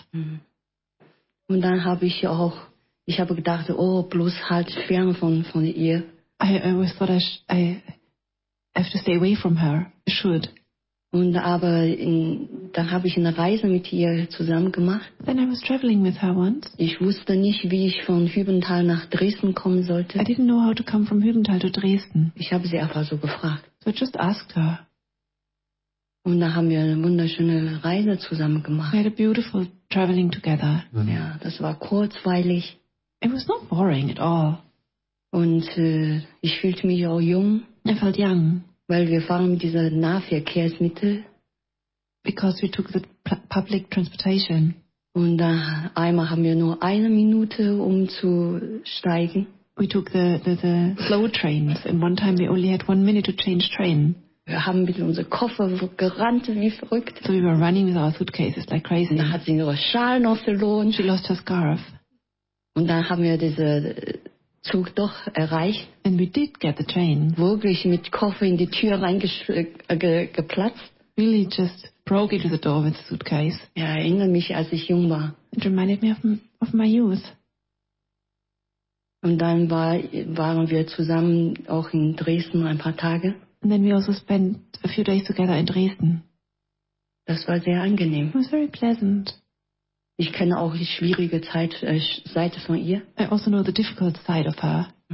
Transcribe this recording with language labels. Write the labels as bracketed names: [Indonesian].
[German] Und dann habe ich auch, ich habe gedacht, oh, bloß halt fern von ihr. [English] I always thought I have to stay away from her. I should. [German] Und aber dann habe ich eine Reise mit ihr zusammen gemacht. [English] Then I was traveling with her once. [German] Ich wusste nicht, wie ich von Hübenthal nach Dresden kommen sollte. [English] I didn't know how to come from Hübenthal to Dresden. [German] Ich habe sie einfach so gefragt. [English] So I just asked her. [German] Und da haben wir eine wunderschöne Reise zusammen gemacht. [English] We had a beautiful traveling together. [German] Mhm. Ja, das war kurzweilig. [English] It was not boring at all. [German] Und ich fühlte mich auch jung. [English] I felt young. [German] Weil wir fahren mit dieser Nahverkehrsmittel. [English] Because we took the public transportation. [German] Und da einmal haben wir nur eine Minute, umzusteigen. [English] We took the slow trains. And one time we only had one minute to change train. [German] Wir haben mit unsere Koffer gerannt wie verrückt. [English] So we were running with our suitcases like crazy. [German] Da hat sie ihre Schal noch verloren. [English] She lost her scarf. [German] Und dann haben wir diese Zug doch erreicht. [English] And we did get the train. [German] Wirklich mit Koffer in die Tür reingeplatzt. [English] Really just broke into the door with the suitcase. [German] Ja, erinnere mich, als ich jung war. [English] It reminded me of my youth. [German] Und dann waren wir zusammen auch in Dresden ein paar Tage. [English] And then we also spent a few days together in Dresden. [German] Das war sehr angenehm. [English] It was very pleasant. [German] Ich kenne auch die schwierige Seite von ihr. [English] I also know the difficult side of her.